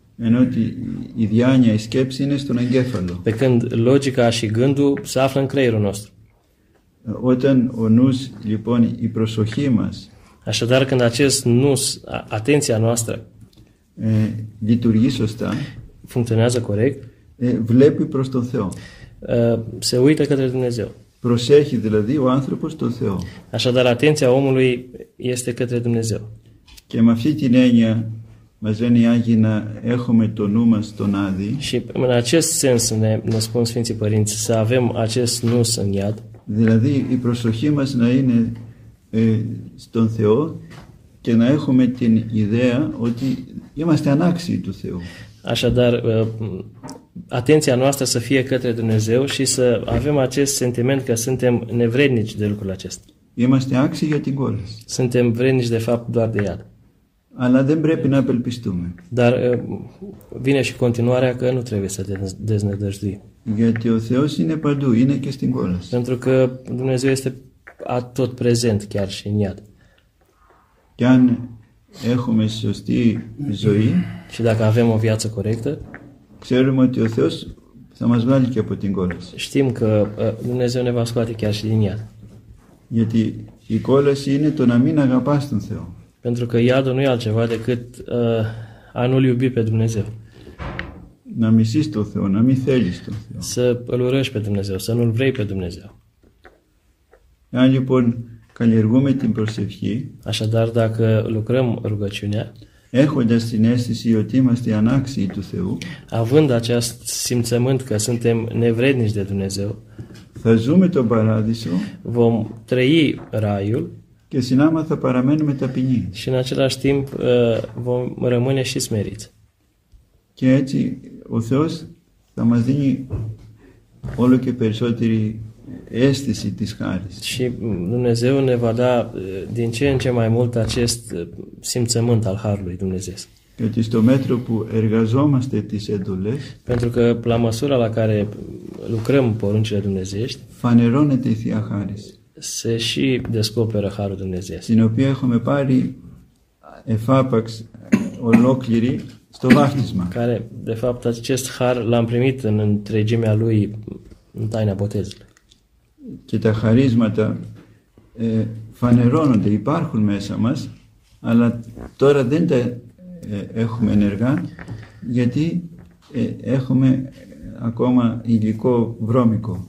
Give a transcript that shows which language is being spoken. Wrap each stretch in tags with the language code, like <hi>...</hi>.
<el>Ενώ ότι η διάνοια, η σκέψη είναι στον εγκέφαλο.</el> <ro>Pe când logica și gândul se află în creierul nostru.</ro> <el>Όταν ο νους, λοιπόν, η προσοχή μας.</el> <ro>Așadar, când acest nous, atenția noastră,</ro> <el>λειτουργεί σωστά,</el> <ro>funcționează corect,</ro> <el>βλέπει προς τον Θεό.</el> <ro>Se uită către Dumnezeu.</ro> <el>Προσέχει δηλαδή ο άνθρωπος τον Θεό.</el> <ro>Așadar, atenția omului este către Dumnezeu.</ro> <el>Και με αυτή την έννοια μας λένε οι Άγιοι να έχουμε το νου μας τον Άδη.</el> <ro>Și în acest sens ne spun Sfinții Părinți să avem acest nous în iad.</ro> <el>Δηλαδή η προσοχή μας να είναι στον Θεό και να έχουμε την ιδέα ότι είμαστε ανάξιοι του Θεού.</el> <ro>Așadar, atenția noastră să fie către Dumnezeu și să avem acest sentiment că suntem nevrednici de lucrul acesta.</ro> <el>Είμαστε άξιοι για την κόλαση.</el> <ro>Suntem vrednici de fapt doar de ea.</ro> <el>Αλλά δεν πρέπει να απελπιστούμε.</el> <ro>Dar vine și continuarea că nu trebuie să te deznădăjdui.</ro> <el>Γιατί ο Θεός είναι παντού, είναι και στην κόλαση.</el> <ro>Pentru că Dumnezeu este tot prezent chiar și în iad.</ro> <el>Και αν έχουμε σωστή ζωή,</el> <ro>și dacă avem o viață corectă,</ro> <el>ξέρουμε ότι ο Θεός θα μας βγάλει και από την κόλαση.</el> <ro>Știm că Dumnezeu ne va scoate chiar și din iad.</ro> <el>Γιατί η κόλαση είναι το να μην αγαπάς τον Θεό.</el> <ro>Pentru că iadul nu e altceva decât a nu-L iubi pe Dumnezeu.</ro> <el>Να μισείς τον Θεό, να μην θέλεις τον Θεό.</el> <ro>Să Îl urăști pe Dumnezeu, să nu-L vrei pe Dumnezeu.</ro> <el>Αν λοιπόν καλλιεργούμε την προσευχή,</el> <ro>așadar, dacă lucrăm rugăciunea,</ro> <el>έχοντας την αίσθηση ότι είμαστε ανάξιοι του Θεού,</el> <ro>având acest simțământ că suntem nevrednici de Dumnezeu,</ro> <el>θα ζούμε τον Παράδεισο,</el> <ro>vom trăi Raiul,</ro> <el>και συνάμα θα παραμένουμε ταπεινοί.</el> <ro>Și în același timp vom rămâne și smeriți.</ro> <el>Και έτσι ο Θεός θα μας δίνει όλο και περισσότερη αίσθηση της χάρης.</el> <ro>Și Dumnezeu ne va da din ce în ce mai mult acest simțământ al Harului Dumnezeu.</ro> <el>Γιατί στο μέτρο που εργαζόμαστε τις εντολές,</el> <ro>pentru că la măsura la care lucrăm poruncile dumnezești,</ro> <el>φανερώνεται η Θεία Χάρις.</el> <ro>Σε εσύ δεσκόπερα χάρου του Νεζέ.</ro> <el>Την οποία έχουμε πάρει εφάπαξ ολόκληρη στο βάπτισμα.</el> <ro>Care, de fapt, acest χάρ l-am primit în întregimea lui în taina botezului.</ro> <el>Και τα χαρίσματα φανερώνονται, υπάρχουν μέσα μας, αλλά τώρα δεν τα έχουμε ενεργά, γιατί έχουμε ακόμα υλικό βρώμικο.</el>